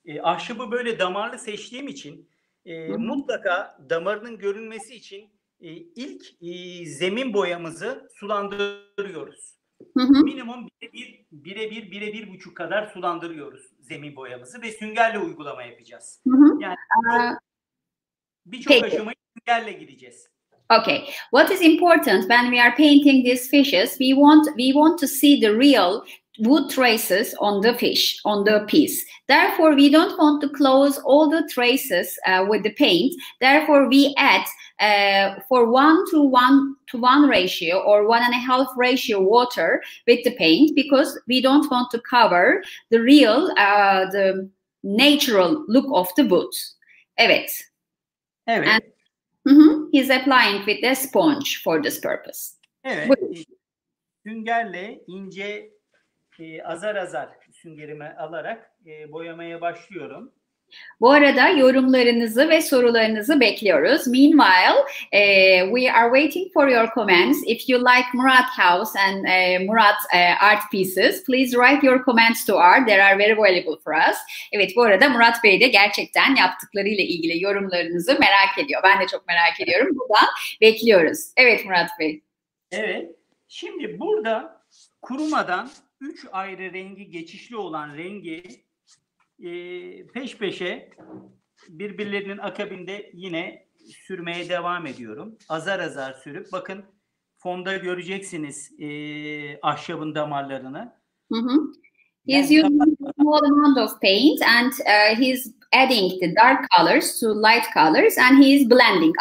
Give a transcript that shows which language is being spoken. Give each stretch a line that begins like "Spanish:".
Turkish: Ahşabı böyle damarlı seçtiğim için mutlaka damarının görünmesi için ilk zemin boyamızı sulandırıyoruz. Minimum bire bir buçuk kadar sulandırıyoruz zemin boyamızı ve süngerle uygulama yapacağız. Yani birçok aşamayı süngerle gideceğiz.
English: Okay, what is important when we are painting these fishes, we want to see the real wood traces on the fish, on the piece. Therefore, we don't want to close all the traces with the paint. Therefore, we add for 1:1 ratio or 1.5 ratio water with the paint because we don't want to cover the real, the natural look of the wood.
Turkish: Evet. Evet.
English: And, he's applying with a sponge for this purpose.
Turkish: Evet. Süngerle ince azar azar süngerime alarak boyamaya başlıyorum. Bu arada yorumlarınızı ve sorularınızı bekliyoruz.
English: Meanwhile, we are waiting for your comments. If you like Murat House and Murat art pieces, please write your comments to our. They are very valuable for us.
Turkish: Evet, bu arada Murat Bey de gerçekten yaptıklarıyla ilgili yorumlarınızı merak ediyor. Ben de çok merak ediyorum. Buradan bekliyoruz. Evet, Murat Bey. Evet, şimdi burada kurumadan 3 ayrı rengi geçişli olan rengi peş peşe birbirlerinin akabinde yine sürmeye devam ediyorum. Azar azar sürüp bakın fonda göreceksiniz ahşabın damarlarını.
English: He's using a small amount of paint and he's adding the dark colors to light colors and he is blending.